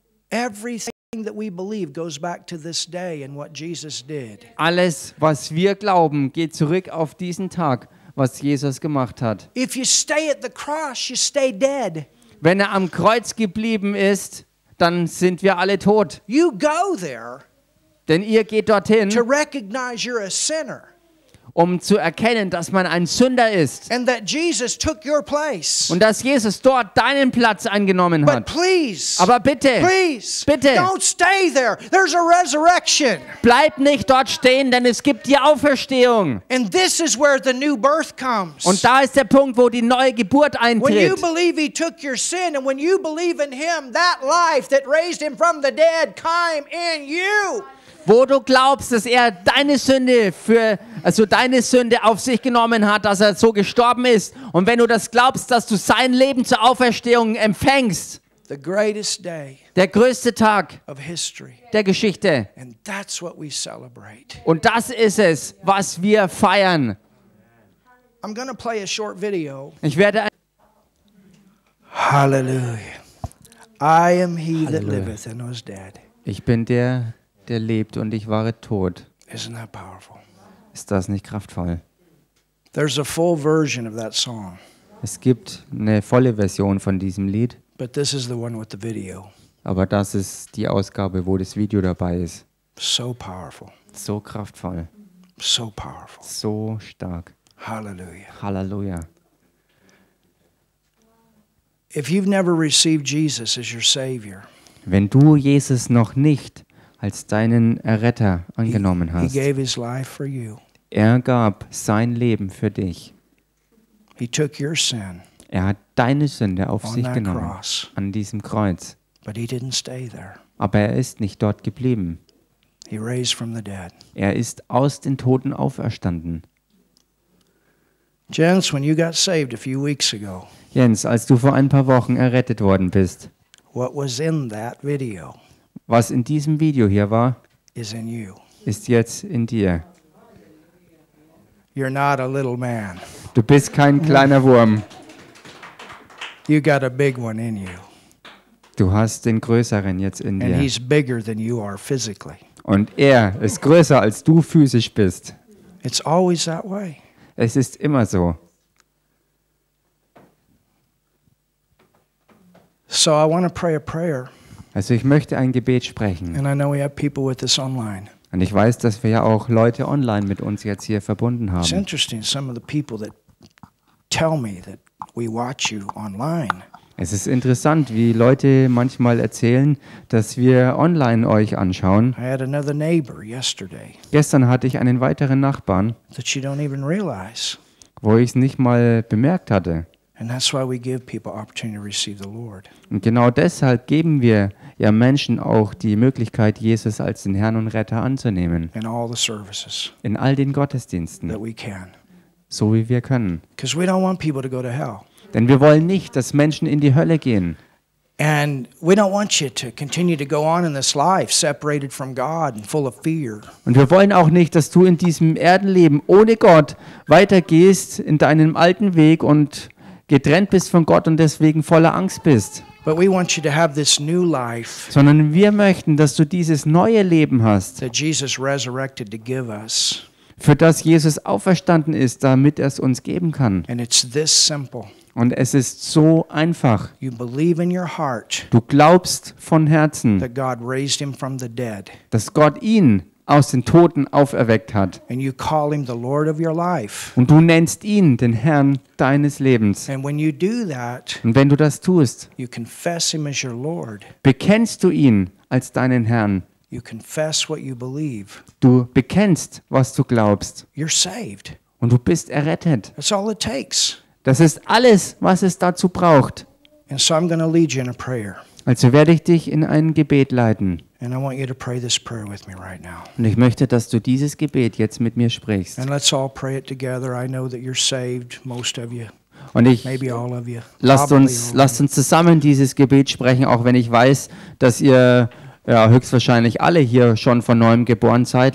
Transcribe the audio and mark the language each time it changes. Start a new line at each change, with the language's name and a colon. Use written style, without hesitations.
English: Everything that we believe goes back to this day and what Jesus did.
German: Alles, was wir glauben, geht zurück auf diesen Tag, was Jesus gemacht hat.
English: If you stay at the cross, you stay dead.
German: Wenn am Kreuz geblieben ist, dann sind wir alle tot.
English: You go there.
German: Denn ihr geht dorthin,
English: to recognize you're a sinner.
German: Um zu erkennen, dass man ein Sünder ist.
English: And that Jesus took your place.
German: Und dass Jesus dort deinen Platz eingenommen hat.
English: But please,
German: aber bitte,
English: please,
German: bitte,
English: don't stay there. There's a resurrection.
German: Bleib nicht dort stehen, denn es gibt die Auferstehung.
English: And this is where the new birth comes.
German: Und da ist der Punkt, wo die neue Geburt eintritt.
English: When you believe he took your sin and when you believe in him, that life that raised him from the dead came in you.
German: Wo du glaubst, dass er deine Sünde auf sich genommen hat, dass er so gestorben ist. Und wenn du das glaubst, dass du sein Leben zur Auferstehung empfängst.
English: The greatest day,
German: der größte Tag
English: of history,
German: der Geschichte.
English: And that's what we celebrate.
German: Und das ist es, was wir feiern.
English: I'm gonna play a short video.
German: Ich werde ein Halleluja.
English: I am he that liveth and was dead.
German: Ich bin der, der lebt und ich war tot.
English: Isn't that powerful?
German: Ist das nicht kraftvoll?
English: There's a full version of that song.
German: Es gibt eine volle Version von diesem Lied.
English: But this is the one with the video.
German: Aber das ist die Ausgabe, wo das Video dabei ist.
English: So powerful.
German: So kraftvoll.
English: So powerful.
German: So stark.
English: Hallelujah.
German: Halleluja.
English: If you've never received Jesus as your Savior,
German: wenn du Jesus noch nicht als deinen Erretter angenommen hast.
English: He gave his life for you.
German: Er gab sein Leben für dich.
English: He took your sin.
German: Er hat deine Sünde auf
English: on
German: sich genommen,
English: cross.
German: An diesem Kreuz.
English: But he didn't stay there.
German: Aber er ist nicht dort geblieben.
English: He raised from the dead.
German: Er ist aus den Toten auferstanden.
English: Jens, when you got saved a few weeks ago,
German: Jens, als du vor ein paar Wochen errettet worden bist,
English: what was in that video?
German: Was in diesem Video hier war,
English: is in you.
German: Ist jetzt in dir.
English: You're not a little man.
German: Du bist kein kleiner Wurm.
English: You got a big one in you.
German: Du hast den Größeren jetzt in
English: And
German: dir.
English: He's bigger than you are physically.
German: Und er ist größer, als du physisch bist.
English: It's always that way.
German: Es ist immer so.
English: So I want to pray a prayer.
German: Also ich möchte ein Gebet sprechen.
English: And I know we have people with us online.
German: Und ich weiß, dass wir ja auch Leute online mit uns jetzt hier verbunden haben.
English: It's interesting, some of the people that tell me that we watch you online.
German: Es ist interessant, wie Leute manchmal erzählen, dass wir online euch anschauen.
English: I had another neighbor yesterday.
German: Gestern hatte ich einen weiteren Nachbarn,
English: that you don't even realize.
German: Wo ich es nicht mal bemerkt hatte.
English: And that's why we give people opportunity to receive the Lord.
German: Und genau deshalb geben wir ja Menschen auch die Möglichkeit, Jesus als den Herrn und Retter anzunehmen.
English: In all the services.
German: In all den Gottesdiensten.
English: That we can.
German: So wie wir können.
English: Because we don't want people to go to hell.
German: Denn wir wollen nicht, dass Menschen in die Hölle gehen.
English: And we don't want you to continue to go on in this life separated from God and full of fear.
German: Und wir wollen auch nicht, dass du in diesem Erdenleben ohne Gott weitergehst in deinem alten Weg und getrennt bist von Gott und deswegen voller Angst bist.
English: But we want you to have this new life,
German: sondern wir möchten, dass du dieses neue Leben hast,
English: that Jesus resurrected to give us,
German: für das Jesus auferstanden ist, damit er es uns geben kann.
English: And it's this simple.
German: Und es ist so einfach.
English: You believe in your heart,
German: du glaubst von Herzen,
English: that God raised him from the dead,
German: dass Gott ihn aus den Toten auferweckt hat.
English: And you call him the Lord of your life.
German: Und du nennst ihn den Herrn deines Lebens.
English: And when you do that,
German: und wenn du das tust,
English: you confess him as your Lord.
German: Bekennst du ihn als deinen Herrn.
English: You confess what you believe.
German: Du bekennst, was du glaubst.
English: You're saved.
German: Und du bist errettet.
English: That's all it takes.
German: Das ist alles, was es dazu braucht.
English: And so I'm gonna lead you in a prayer.
German: Also werde ich dich in ein Gebet leiten.
English: And I want you to pray this prayer with me right now.
German: Und ich möchte, dass du dieses Gebet jetzt mit mir sprichst.
English: And let's all pray it together. I know that you're saved, most of you.
German: Und ich,
English: maybe all of you.
German: Lasst uns zusammen dieses Gebet sprechen, auch wenn ich weiß, dass ihr ja höchstwahrscheinlich alle hier schon von neuem geboren seid.